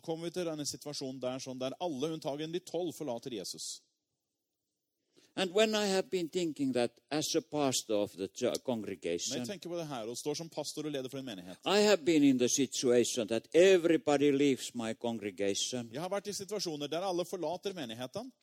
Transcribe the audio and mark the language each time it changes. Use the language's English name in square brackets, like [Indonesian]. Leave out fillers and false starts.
[Swedish] Och så kommer vi till den situation där som där alla undantagen de 12 förlater Jesus. [English] And when I have been thinking that as a pastor of the congregation. [Swedish] Men tänker på det här och står som pastor och leder för en menighet. [English] I have been in the situation that everybody leaves my congregation. [Swedish] Jag har varit I situationer där alla förlater menigheten.